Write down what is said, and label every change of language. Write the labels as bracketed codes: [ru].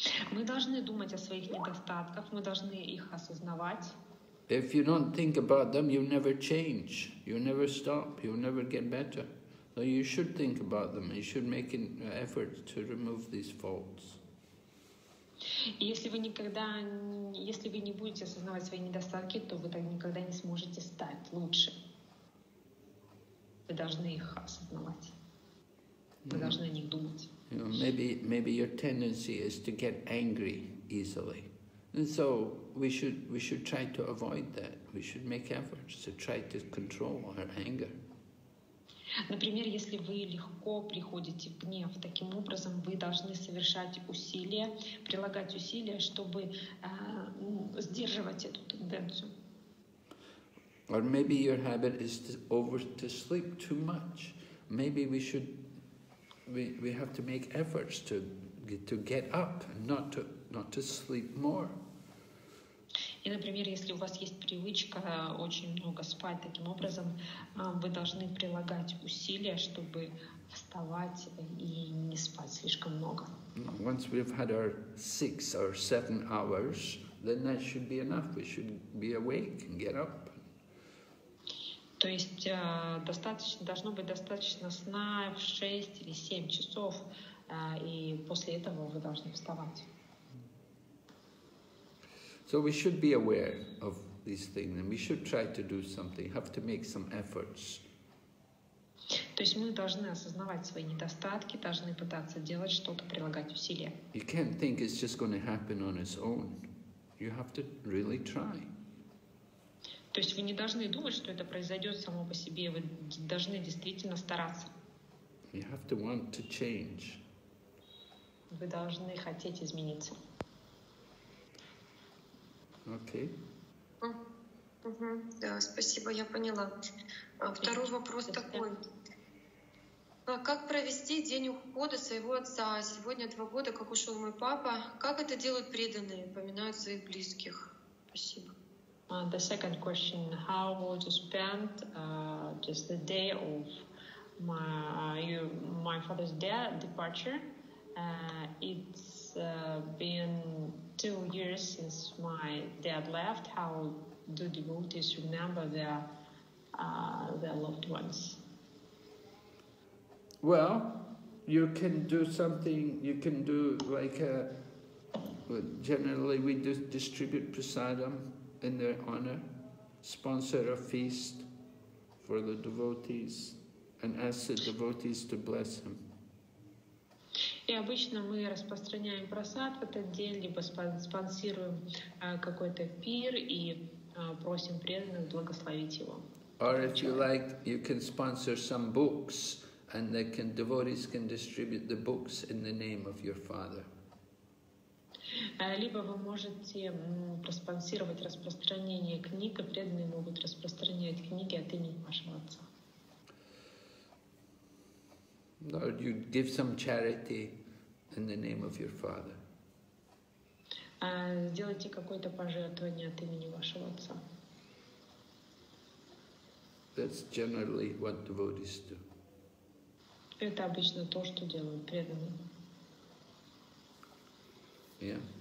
[ru] Мы должны думать о своих недостатках, мы должны их осознавать. [en] If you don't think about them, you never change. You never stop, you never get better. So you should think about them. You should make an effort to remove these faults. [ru] Если вы никогда, если вы не будете осознавать свои недостатки, то вы никогда не сможете стать лучше. Вы должны их осознавать. Вы должны о них думать. [en] You know, maybe your tendency is to get angry easily, and so we should try to avoid that. We should make efforts to try to control our anger. [ru] Например, если вы легко приходите в гнев, таким образом вы должны совершать усилия, прилагать усилия, чтобы сдерживать эту тенденцию. [en] Or maybe your habit is to sleep too much. Maybe we should. We have to make efforts to get up and not to sleep more. [ru] И, например, если у вас есть привычка очень много спать, таким образом вы должны прилагать усилия, чтобы вставать и не спать слишком много. [en] Once we've had our 6 or 7 hours, then that should be enough. We should be awake and get up. [ru] То есть достаточно должно быть достаточно сна в 6 или 7 часов, и после этого вы должны вставать. [en] So we should be aware of these things, and we should try to do something. Have to make some efforts. [ru] То есть мы должны осознавать свои недостатки, должны пытаться делать что-то, прилагать усилия. [en] You can't think it's just going to happen on its own. You have to really try. [ru] То есть вы не должны думать, что это произойдет само по себе. Вы должны действительно стараться. [en] You have to want to change. [ru] Вы должны хотеть измениться. Окей. Да, спасибо, я поняла. Второй вопрос такой. Как провести день ухода своего отца? Сегодня 2 года, как ушел мой папа. Как это делают преданные, поминают своих близких? Спасибо. [en] The second question, how would you spend just the day of my father's departure? It's been 2 years since my dad left. How do devotees remember their loved ones? Well, you can do something, you can do like generally we do distribute prasadam in their honor, sponsor a feast for the devotees, and ask the devotees to bless him. [ru] И обычно мы распространяем просад в этот день, либо спонсируем какой-то пир и просим преданных благословить его. [en] Or if you like, you can sponsor some books, and they can devotees can distribute the books in the name of your father. [ru] Либо вы можете проспонсировать распространение книг, и преданные могут распространять книги от имени вашего отца. [en] Or you give some charity in the name of your father. [ru] Сделайте какое-то пожертвование от имени вашего отца. [en] That's generally what devotees do. [ru] Это обычно то, что делают преданные. [en] Yeah.